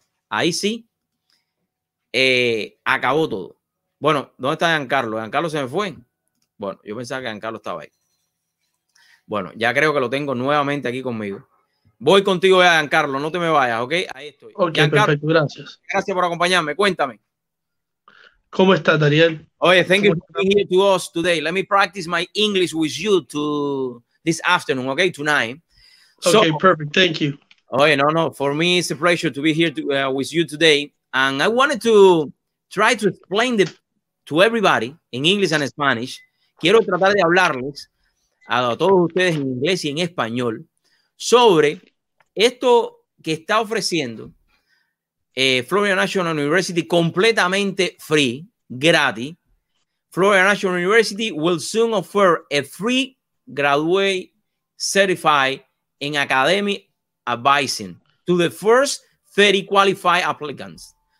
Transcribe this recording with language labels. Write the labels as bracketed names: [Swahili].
[Spanish] Ahí sí, acabó todo. Bueno, ¿dónde está Giancarlo? ¿Giancarlo se me fue? Bueno, yo pensaba que Giancarlo estaba ahí. Bueno, ya creo que lo tengo nuevamente aquí conmigo. Voy contigo ya, Giancarlo, no te me vayas, ¿ok? Ahí estoy. Ok, Giancarlo, perfecto, gracias. Gracias por acompañarme, cuéntame. ¿Cómo está, Dariel? [English] Oye, thank you for being here to us today. Let me practice my English with you to this afternoon, ok, tonight. Okay, perfect, thank you. Oye, no, for me it's a pleasure to be here to, with you today. And I wanted to try to explain it to everybody in English and Spanish. [Spanish] Quiero tratar de hablarles a todos ustedes en inglés y en español sobre esto que está ofreciendo Florida National University completamente free, gratis. [English] Florida National University will soon offer a free graduate certified in academic advising to the first 30 qualified applicants.